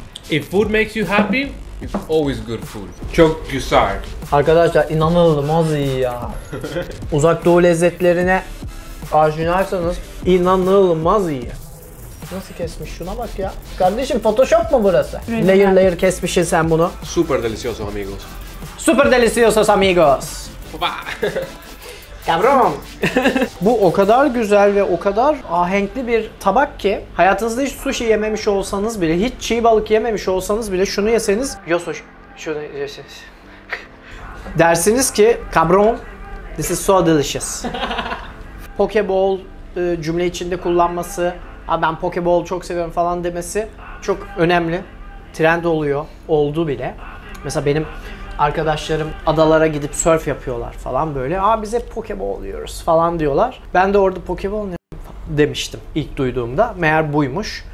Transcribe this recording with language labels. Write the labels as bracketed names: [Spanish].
[English] If food makes you happy, it's always good food. [Turkish] Çok güzel. Arkadaşlar inanılmaz iyi ya. Uzak Doğu lezzetlerine aşinaysanız inanılmaz iyi. Nasıl kesmiş şuna bak ya. Kardeşim Photoshop mu burası? Layer layer kesmişsin sen bunu. [Spanish] Super delicioso amigos. Super delicioso amigos. Cabrón. [Turkish] Bu o kadar güzel ve o kadar ahenkli bir tabak ki hayatınızda hiç sushi yememiş olsanız bile, hiç çiğ balık yememiş olsanız bile şunu yeseniz şunu yeseniz dersiniz ki [Spanish] cabrón, [English] this is so delicious. [Turkish] Poke bowl cümle içinde kullanması, ben poke bowl çok seviyorum falan demesi çok önemli. Trend oluyor, oldu bile. Mesela benim arkadaşlarım adalara gidip surf yapıyorlar falan böyle. Aa bize pokeball oluyoruz falan diyorlar. Ben de orada pokeball ne demiştim ilk duyduğumda. Meğer buymuş.